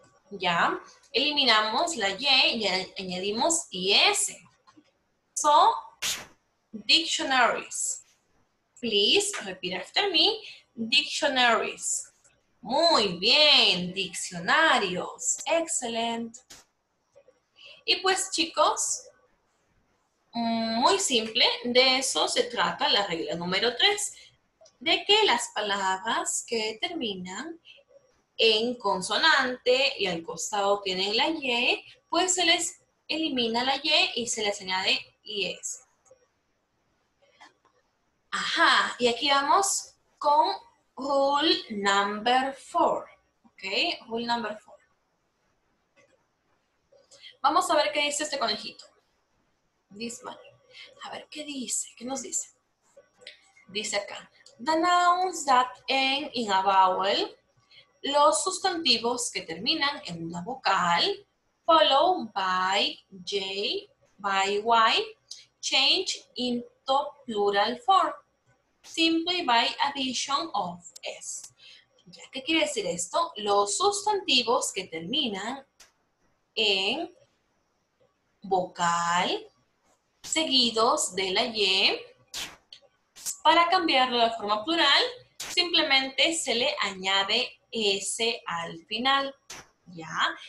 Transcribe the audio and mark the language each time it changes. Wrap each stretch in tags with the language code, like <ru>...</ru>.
<es>Ya, eliminamos la Y y añadimos IS.</es> <en>So, dictionaries. Please, repeat after me, dictionaries.</en> <es>Muy bien, diccionarios. Excellent. Y pues, chicos, muy simple, de eso se trata la regla número 3, de que las palabras que terminan en consonante y al costado tienen la Y, pues se les elimina la Y y se les añade IES. Ajá, y aquí vamos con...</es> <en>Rule number 4. ¿Ok? Rule number 4.</en> <es>Vamos a ver qué dice este conejito.</es> <en>This money.</en> <es>A ver, ¿qué dice? ¿Qué nos dice? Dice acá.</es> <en>The nouns that end in a vowel.</en> <es>Los sustantivos que terminan en una vocal.</es> <en>Follow by J, by Y. Change into plural form. simply by addition of s.</en> <es>¿Ya qué quiere decir esto? Los sustantivos que terminan en vocal seguidos de la y, para cambiarlo de forma plural, simplemente se le añade s al final. ¿Ya?</es>